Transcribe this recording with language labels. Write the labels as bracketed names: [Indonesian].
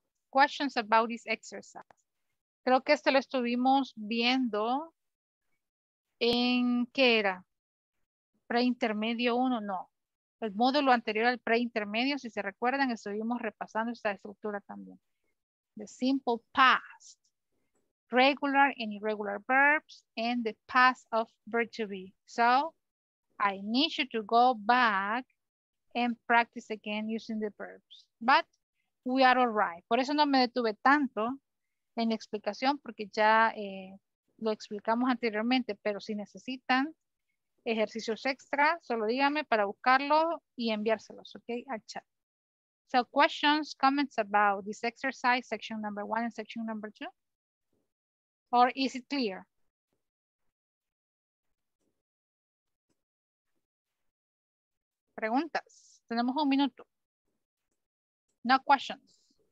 [English] questions about this exercise. [Spanish] Creo que este lo estuvimos viendo en, ¿qué era? Preintermedio 1, no. El módulo anterior al preintermedio, si se recuerdan, estuvimos repasando esta estructura también. [English] The simple past, regular and irregular verbs, and the past of verb to be. So, I need you to go back and practice again using the verbs. But we are all right. [Spanish] Por eso no me detuve tanto en la explicación, porque ya lo explicamos anteriormente, pero si necesitan ejercicios extra, solo díganme para buscarlo y enviárselos, okay, al chat. [English] So questions, comments about this exercise, section number one and section number two? Or is it clear? [Spanish] Preguntas. Tenemos un minuto. [English] No questions.